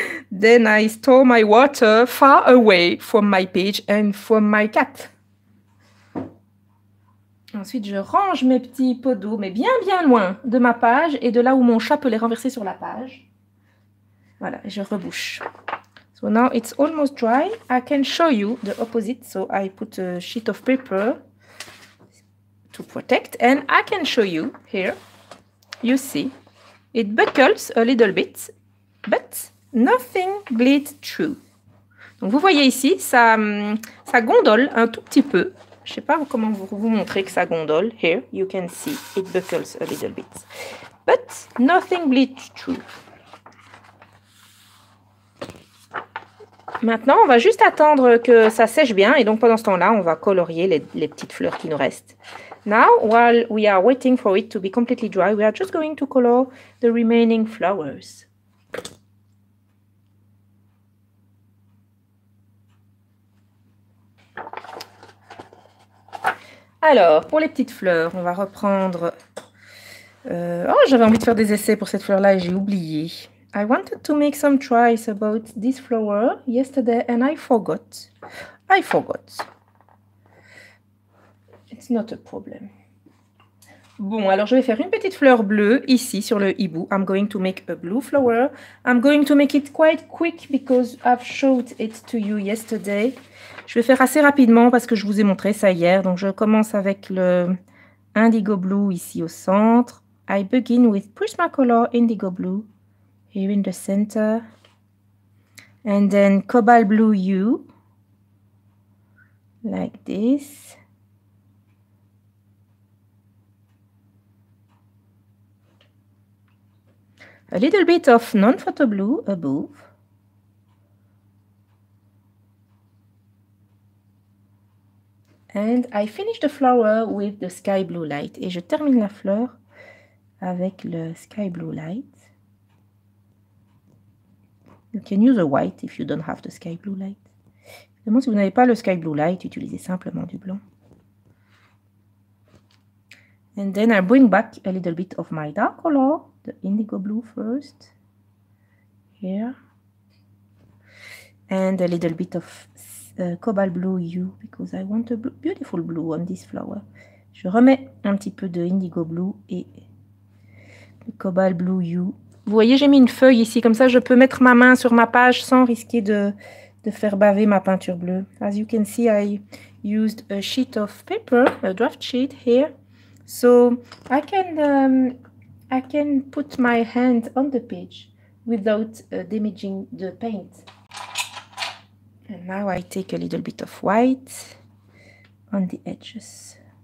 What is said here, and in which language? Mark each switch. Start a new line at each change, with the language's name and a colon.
English: Then I store my water far away from my page and from my cat.
French: Ensuite, je range mes petits pots d'eau, mais bien, bien loin de ma page et de là où mon chat peut les renverser sur la page. Voilà, et je rebouche.
English: So now it's almost dry. I can show you the opposite. So I put a sheet of paper to protect. And I can show you here. You see, it buckles a little bit, but nothing bleeds through.
French: Donc vous voyez ici, ça gondole un tout petit peu. Je ne sais pas comment vous montrer que ça gondole.
English: Here, you can see it buckles a little bit. But nothing bleeds through.
French: Maintenant, on va juste attendre que ça sèche bien. Et donc, pendant ce temps-là, on va colorier les petites fleurs qui nous restent.
English: Now, while we are waiting for it to be completely dry, we are just going to color the remaining flowers.
French: Alors, pour les petites fleurs, on va reprendre... j'avais envie de faire des essais pour cette fleur-là et j'ai oublié.
English: I wanted to make some tries about this flower yesterday and I forgot. I forgot. It's not a problem.
French: Bon, alors je vais faire une petite fleur bleue ici sur le hibou.
English: I'm going to make a blue flower. I'm going to make it quite quick because I've showed it to you yesterday.
French: Je vais faire assez rapidement parce que je vous ai montré ça hier. Donc, je commence avec le indigo blue ici au centre.
English: I begin with Prismacolor indigo blue here in the center. And then cobalt blue U. Like this. A little bit of non-photo blue above. And I finish the flower with the sky blue light.
French: Et je termine la fleur avec le sky blue light.
English: You can use a white if you don't have the sky blue light.
French: Évidemment, si vous n'avez pas le sky blue light, utilisez simplement du blanc.
English: And then I bring back a little bit of my dark color, the indigo blue first. Here. And a little bit of cobalt blue hue because I want a beautiful blue on this flower.
French: Je remets un petit peu de indigo blue et de cobalt blue hue. Vous voyez, j'ai mis une feuille ici, comme ça je peux mettre ma main sur ma page sans risquer de faire baver ma peinture bleue.
English: As you can see, I used a sheet of paper, a draft sheet here. So I can put my hand on the page without damaging the paint. And now I take a little bit of white on the edges.